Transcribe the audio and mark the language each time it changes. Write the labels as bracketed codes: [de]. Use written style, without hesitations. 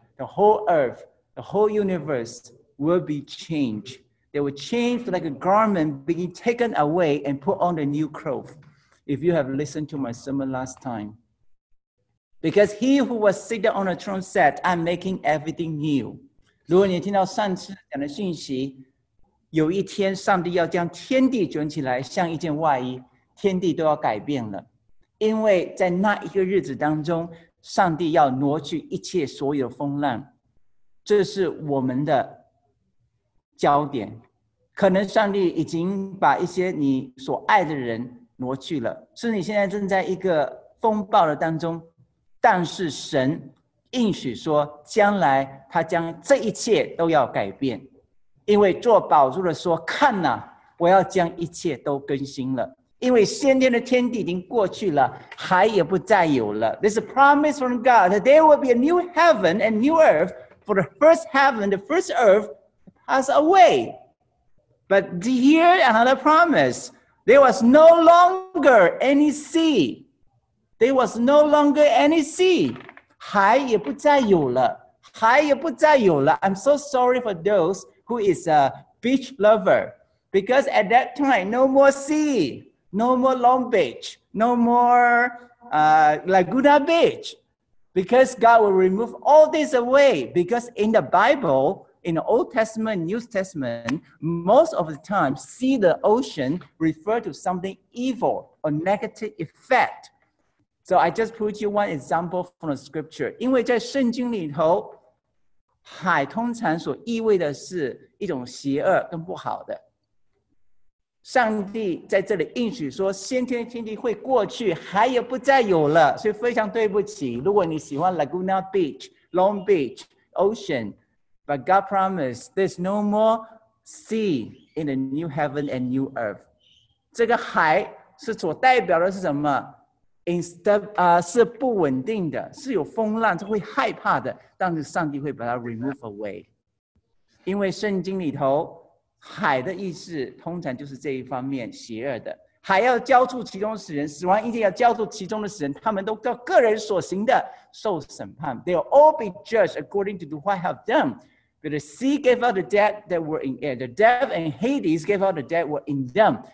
[en] The whole earth, the whole universe will be changed. They will change like a garment being taken away and put on a new cloth. If you have listened to my sermon last time, Because he who was seated on the throne said, I'm making everything new. [zh] 如果你听到上次讲的讯息，有一天上帝要将天地卷起来，像一件外衣，天地都要改变了。因为在那一个日子当中，上帝要挪去一切所有的风浪，这是我们的焦点。可能上帝已经把一些你所爱的人挪去了，是你现在正在一个风暴的当中，但是神应许说，将来他将这一切都要改变，因为做宝座的说，看哪，我要将一切都更新了，因为先天的天地已经过去了，海也不再有了。 [en] There's a promise from God that there will be a new heaven and new earth, for the first heaven, the first earth pass away. But here another promise, there was no longer any sea. There was no longer any sea. [zh] 海也不再有了。海也不再有了。 [en] I'm so sorry for those who is a beach lover. Because at that time, no more sea. No more Long Beach. No more Laguna Beach. Because God will remove all this away. Because in the Bible, in the Old Testament, New Testament, most of the time, see the ocean refer to something evil or negative effect. So I just put you one example from the scripture. [zh] 因为在圣经里头，海通常所意味的是一种邪恶跟不好的。上帝在这里应许说，先天天地会过去，海也不再有了。所以非常对不起，如果你喜欢 [en] Laguna Beach, Long Beach, Ocean, but God promised there's no more sea in the new heaven and new earth. [zh] 这个海是所代表的是什么？是不稳定的，是有风浪，是会害怕的，但是上帝会把它 [en] remove away。 [zh] 因为圣经里头海的意思通常就是这一方面，邪恶的海要交出其中的死人，死亡一定要交出其中的死人，他们都叫个人所行的受审判。 [en] They'll all be judged according to what have done. But the sea gave out the dead that were in it. The death and Hades gave out the dead were in them.